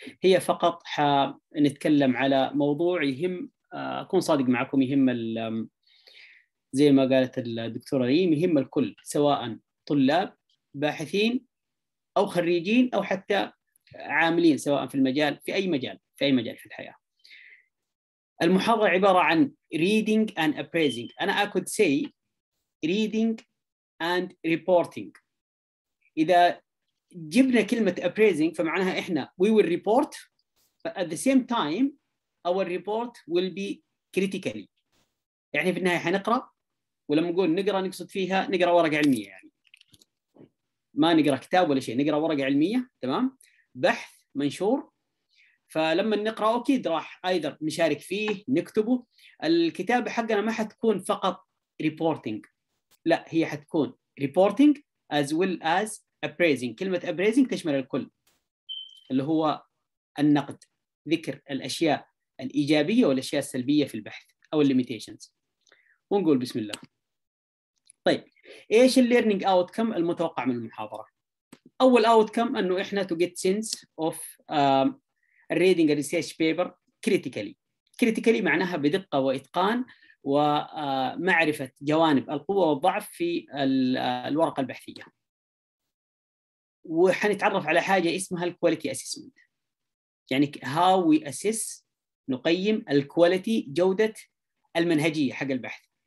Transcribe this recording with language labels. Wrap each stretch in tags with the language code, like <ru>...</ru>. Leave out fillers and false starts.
<ar>هي فقط نتكلم على موضوع يهم، أكون صادق معكم، يهم زي ما قالت الدكتورة ريم، يهم الكل سواء طلاب باحثين أو خريجين أو حتى عاملين سواء في المجال، في أي مجال، في أي مجال في الحياة. المحاضرة عبارة عن</ar> <en>reading and appraising.</en> <ar>أنا</ar> <en>I could say reading and reporting.</en> <ar>إذا جبنا كلمة appraising فمعناها إحنا</ar> <en>we will report but at the same time our report will be critically،</en> <ar>يعني في النهاية حنقرأ، ولما نقول نقرأ نقصد فيها نقرأ ورقة علمية، يعني ما نقرأ كتاب ولا شيء، نقرأ ورقة علمية، تمام، بحث منشور. فلما نقرأ أكيد راح أيضاً نشارك فيه، نكتبه. الكتابة حقنا ما حتكون فقط</ar> <en>reporting،</en> <ar>لا، هي حتكون</ar> <en>reporting as well as appraising.</en> <ar>كلمة appraising تشمل الكل، اللي هو النقد، ذكر الأشياء الإيجابية والأشياء السلبية في البحث أو</ar> <en>limitations.</en> <ar>ونقول بسم الله. طيب إيش</ar> <en>learning outcome</en> <ar>المتوقع من المحاضرة؟ أول</ar> <en>outcome</en> <ar>أنه إحنا</ar> <en>to get sense of reading a research paper critically. critically</en> <ar>معناها بدقة وإتقان ومعرفة جوانب القوة والضعف في الورقة البحثية. وحنتعرف على حاجة اسمها</ar> <en>quality assessment،</en> <ar>يعني</ar> <en>how we assess،</en> <ar>نقيم الكواليتي، جودة المنهجية حق البحث.</ar>